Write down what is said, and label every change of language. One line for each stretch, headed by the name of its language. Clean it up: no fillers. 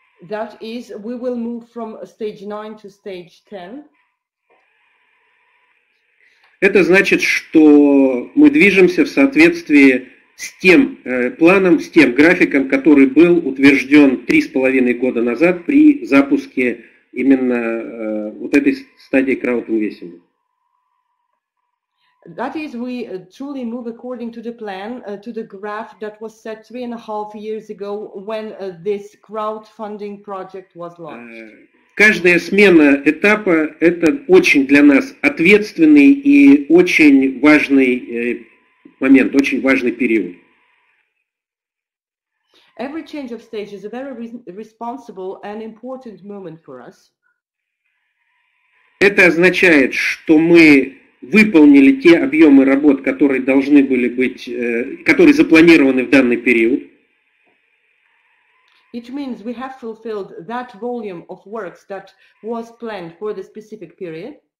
English: That is, we will move from stage 9 to stage 10.
Russian: Это значит, что мы движемся в соответствии с тем планом, с тем графиком, который был утвержден 3.5 года назад при запуске именно вот этой стадии краудинвестинга.
English: That is, we truly move according to the plan, to the graph that was set 3.5 years ago when this crowdfunding project was launched.
Russian: Каждая смена этапа – это очень для нас ответственный и очень важный момент, очень важный период.
English: Every change of stage is a very responsible and important moment for us.
Russian: Это означает, что мы выполнили те объемы работ, которые должны были быть, которые запланированы в данный период.
English: It means we have fulfilled that volume of works that was planned for the specific period.